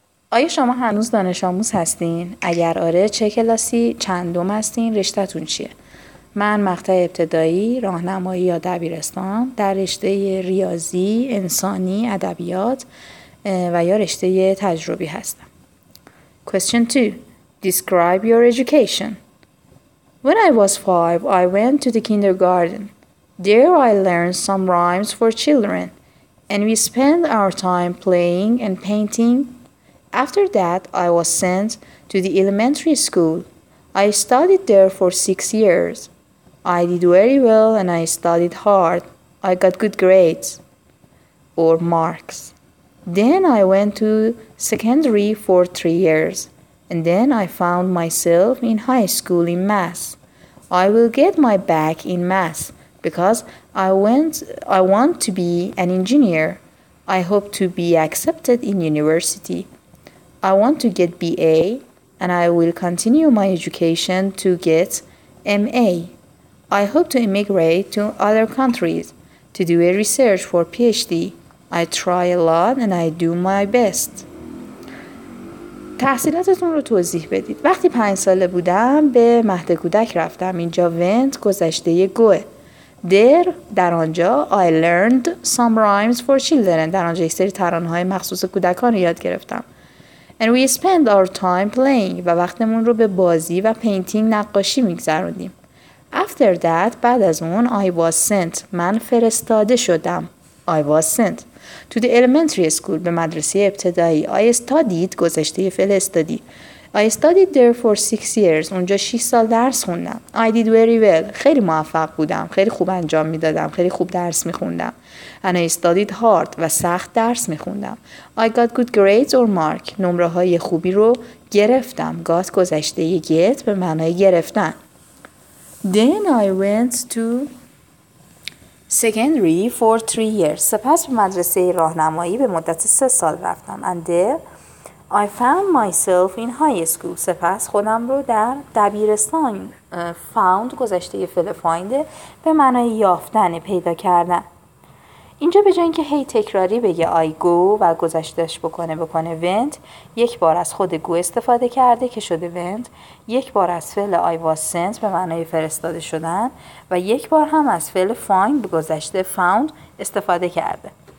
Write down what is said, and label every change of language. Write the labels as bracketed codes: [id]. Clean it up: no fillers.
[fa] آیا شما هنوز دانش آموز هستین؟ اگر آره چه کلاسی، چندم هستین، رشتهتون چیه؟ من مقطع ابتدایی، راهنمایی یا دبیرستان در رشته ریاضی، انسانی، ادبیات و یا رشته تجربی هستم. [en] Question 2. Describe your education. When I was 5, I went to the kindergarten. There I learned some rhymes for children and we spent our time playing and painting. After that, I was sent to the elementary school. I studied there for 6 years. I did very well and I studied hard. I got good grades or marks. Then I went to secondary for 3 years. And then I found myself in high school in math. I will get my back in math because I want to be an engineer. I hope to be accepted in university. I want to get BA and I will continue my education to get MA. I hope to immigrate to other countries to do a research for PhD. I try a lot and I do my best. [fa] تحصیلاتتون رو توضیح بدید. وقتی 5 ساله بودم به مهد کودک رفتم. اینجا [en] went [fa] گذشته گوه. [en] There [fa] در آنجا [en] I learned some rhymes for children. [fa] در آنجا یک سری ترانه‌های مخصوص کودکان رو یاد گرفتم. [en] And we spend our time playing [fa] و وقتمون رو به بازی و پینتینگ نقاشی می‌گذروندیم. [en] After that [fa] بعد از اون [en] I was sent [fa] من فرستاده شدم. [en] I was sent to the elementary school [fa] به مدرسه ابتدایی. [en] I studied [fa] گذشته فعل استادی. [en] I studied there for 6 years. [fa] اونجا 6 سال درس خوندم. [en] I did very well. [fa] خیلی موفق بودم. خیلی خوب انجام میدادم. خیلی خوب درس میخوندم. [en] And I studied hard [fa] و سخت درس میخوندم. [en] I got good grades or mark. [fa] نمره های خوبی رو گرفتم. Got گذشته get به معنای گرفتن. [en] Then I went to secondary for 3 years. [fa] سپس به مدرسه راهنمایی به مدت 3 سال رفتم. [en] And there I found myself in high school. [fa] سپس خودم رو در دبیرستان found گذشته فعل find به معنای یافتن پیدا کردن. اینجا به جای اینکه هی تکراری بگه I go و گذشتهش بکنه went، یک بار از خود go استفاده کرده که شده went، یک بار از فعل [en] I was sent [fa] به معنای فرستاده شدن و یک بار هم از فعل find به گذشته found استفاده کرده.